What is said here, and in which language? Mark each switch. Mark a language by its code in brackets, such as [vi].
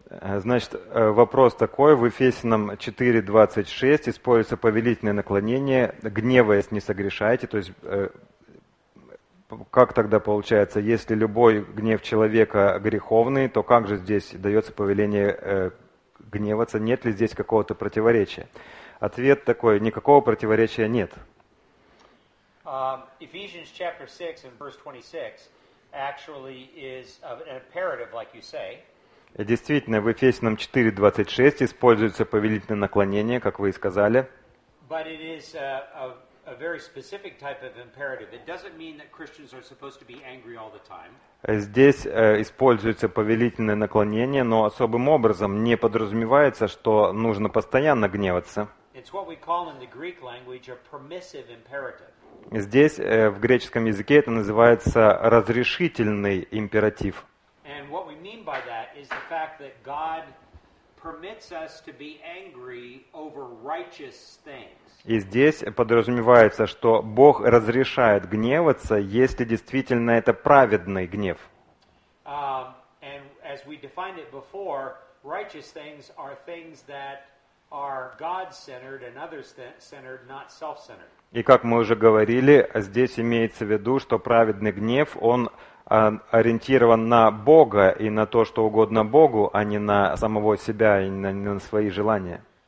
[ru] Значит, вопрос такой, в Ефесянам 4:26 используется повелительное наклонение, гневаясь не согрешайте, то есть как тогда получается, если любой гнев человека греховный, то как же здесь дается повеление гневаться, нет ли здесь какого-то противоречия? Ответ такой, никакого противоречия нет. [en] Ephesians chapter 6 and verse 26 actually is an imperative, like you say. [ru] Действительно, в Ефесянам 4:26 используется повелительное наклонение, как вы и сказали. [en] But it is a a very specific type of imperative. It doesn't mean that Christians are supposed to be angry all the time. [ru] Здесь используется повелительное наклонение, но особым образом не подразумевается, что нужно постоянно гневаться. [en] It's what we call in the Greek language a permissive imperative. [ru] Здесь в греческом языке это называется разрешительный императив. [en] And what we mean by that is the fact that God permits us to be angry over righteous things. [ru] И здесь подразумевается, что Бог разрешает гневаться, если действительно это праведный гнев. [en] And as we defined it before, righteous things are things that are God-centered and others-centered, not self-centered. [ru] И как мы уже говорили, здесь имеется в виду, что праведный гнев, он ориентирован на Бога и на то, что угодно Богу, а не на самого себя и не на свои желания.